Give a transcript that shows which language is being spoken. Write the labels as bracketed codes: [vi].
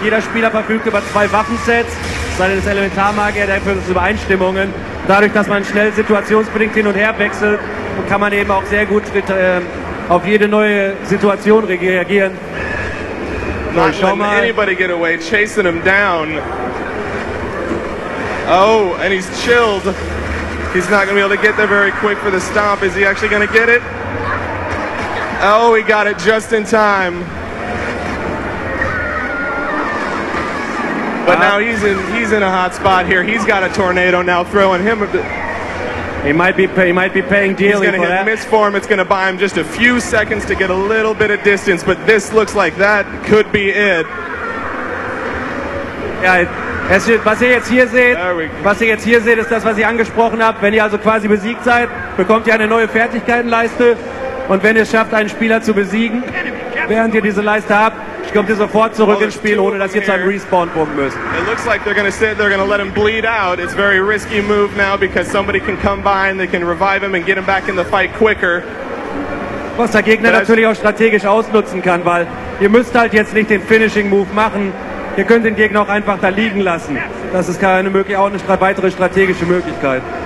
[de] Jeder Spieler verfügt über zwei Waffensets. Sei das Elementarmagier, der führt zu Übereinstimmungen. Dadurch, dass man schnell situationsbedingt hin und her wechselt, kann man eben auch sehr gut auf jede neue Situation reagieren. [en] Not letting anybody get away, chasing him down. Oh, and he's chilled. He's not going to be able to get there very quick for the stomp. Is he actually going to get it? Oh, he got it just in time. But now he's in a hot spot here. He's got a tornado now throwing him. He might be paying dearly for that. He's going to hit misform. It's going to buy him just a few seconds to get a little bit of distance. But this looks like that could be it. [de] Ja, was ihr jetzt hier seht, ist das, was ich angesprochen habe. Wenn ihr also quasi besiegt seid, bekommt ihr eine neue Fertigkeitenleiste. Und wenn ihr es schafft, einen Spieler zu besiegen, während ihr diese Leiste habt, kommt ihr sofort zurück ins Spiel, ohne dass ihr zu einem Respawn pumpen müsst. [en] It looks like they're gonna sit, they're gonna let him bleed out. It's a very risky move now, because somebody can come by and they can revive him and get him back in the fight quicker. [de] Was der Gegner natürlich auch strategisch ausnutzen kann, weil ihr müsst halt jetzt nicht den Finishing Move machen. Ihr könnt den Gegner auch einfach da liegen lassen. Das ist keine mögliche, auch eine weitere strategische Möglichkeit.